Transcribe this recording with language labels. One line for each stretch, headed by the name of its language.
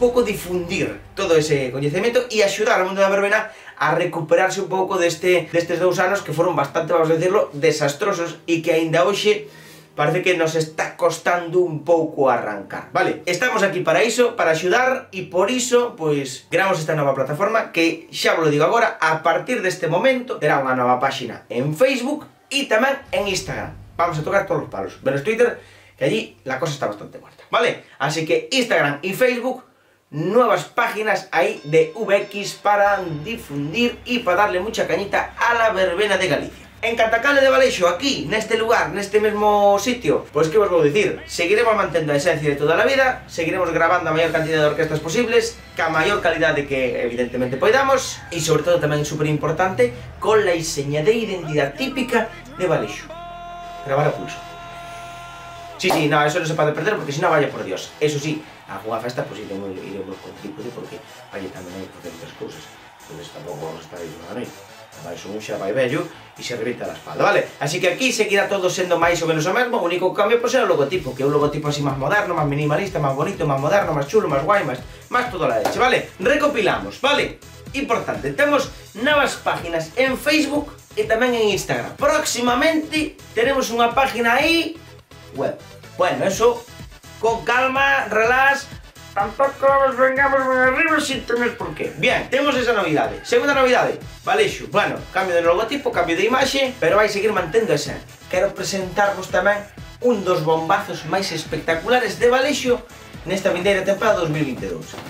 Galician: Pouco difundir todo ese coñecemento e axudar ao mundo da verbena a recuperarse un pouco destes dous anos que foron bastante,
Spanish: vamos a decirlo,
Galician: desastrosos e que aínda hoxe parece que nos está costando un pouco arrancar, vale? Estamos aquí para iso, para axudar e por iso, pois, creamos esta nova plataforma que, xa vos lo digo agora, a partir deste momento terá unha nova páxina en Facebook e tamén en Instagram.
Spanish: Vamos a tocar
Galician: todos os palos,
Spanish: menos Twitter, que allí la cosa está bastante muerta, ¿vale? Así que Instagram y Facebook, nuevas páginas ahí de VX para difundir y para darle mucha cañita a la verbena de Galicia. En Cantacale de Valeixo, aquí, en este lugar, en este mismo sitio, pues ¿qué os voy a decir? Seguiremos manteniendo la esencia de toda la vida, seguiremos grabando a mayor cantidad de orquestas posibles, que a mayor calidad de que evidentemente podamos, y sobre todo también súper importante, con la enseña de identidad típica de Valeixo. Grabar a pulso. Sí, sí, no, eso no se puede perder porque si no, vaya por Dios. Eso sí, a jugar a festa, pues sí, tengo que ir con trípode porque allí también hay muchas cosas. Entonces tampoco vamos a estar ahí una vez. Va eso un xa vai bello e se revienta la espalda, vale?
Galician: Así que aquí seguirá todo sendo máis ou menos o mesmo. O único cambio, pues, é o logotipo, que é un logotipo así máis moderno, máis minimalista, máis bonito, máis moderno, máis chulo, máis guai, máis
Spanish: toda la leche,
Galician: vale? Recopilamos, vale? Importante, temos novas páginas en Facebook e tamén en Instagram.
Spanish: Próximamente tenemos
Galician: unha página aí web.
Spanish: Bueno, eso, con calma, relax, tampoco nos vengamos muy arriba sin tener por qué. Bien, tenemos esa novedad. Segunda novedad, Valeixo. Bueno, cambio de logotipo, cambio de imagen, pero vais a seguir manteniendo esa. Quiero presentaros también un dos bombazos más espectaculares de Valeixo en esta vindeira temporada 2022.